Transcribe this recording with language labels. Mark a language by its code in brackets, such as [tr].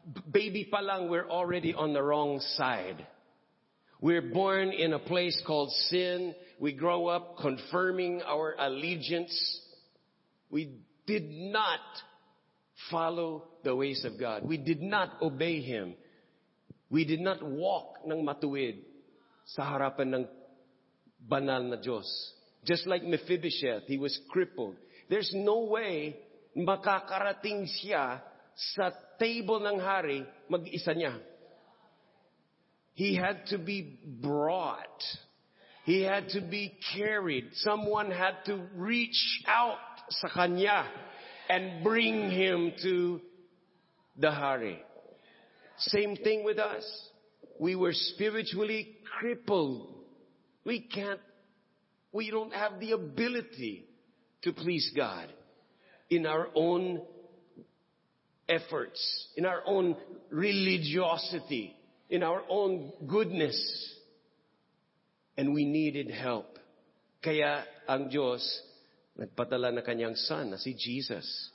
[en] Baby pa lang, we're already on the wrong side. We're born in a place called sin. We grow up confirming our allegiance. We did not follow the ways of God. We did not obey Him. We did not walk [tl] ng matuwid sa harapan ng banal na Diyos. [en] Just like Mephibosheth, he was crippled. There's no way [tl] makakarating siya sa table ng hari mag-isa niya. [en] He had to be brought. He had to be carried. Someone had to reach out [tl] sa kanya [en] and bring him to the hari. Same thing with us. We were spiritually crippled. We don't have the ability to please God in our own efforts, in our own religiosity, in our own goodness. And we needed help. [tl] Kaya ang Diyos nagpatala ng kanyang son na si Jesus.